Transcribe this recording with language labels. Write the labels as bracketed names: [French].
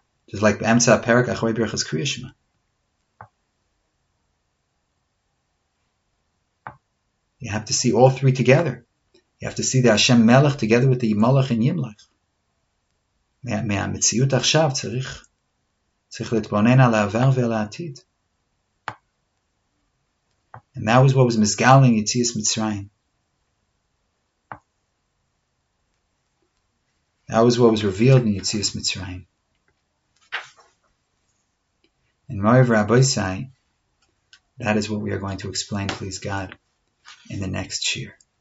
[English] Just like b'emtza perek achrei birchas kriya shema. You have to see all three together. You have to see the Hashem melech together with the malach and yimlach. [Hebrew] מהמציאות עכשיו צריך להתבונן על העבר ועל העתיד. [English] And that was what was misgaling Yetzias Mitzrayim. That was what was revealed in Yetzias Mitzrayim. And Moriv Rabbeisai, that is what we are going to explain, please God, in the next shiur.